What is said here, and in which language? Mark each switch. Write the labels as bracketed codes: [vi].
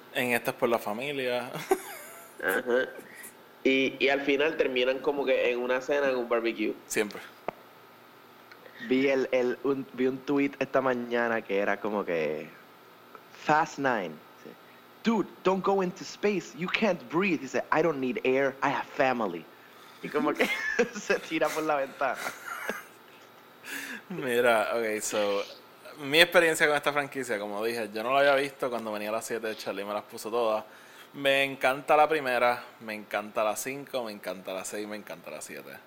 [es] En estas es por la familia. Ajá. Y al final terminan como que en una cena, en un barbecue. Siempre. Vi un tweet esta mañana que era como que, Fast Nine. [en] Dude, don't go into space. You can't breathe. He said, I don't need air. I have family. [es] Y como que se tira por la ventana. Mira, [en] okay, so, [es] mi experiencia con esta franquicia, como dije, yo no la había visto cuando venía a las 7, Charlie me las puso todas. Me encanta la primera, me encanta la 5, me encanta la 6, me encanta la 7.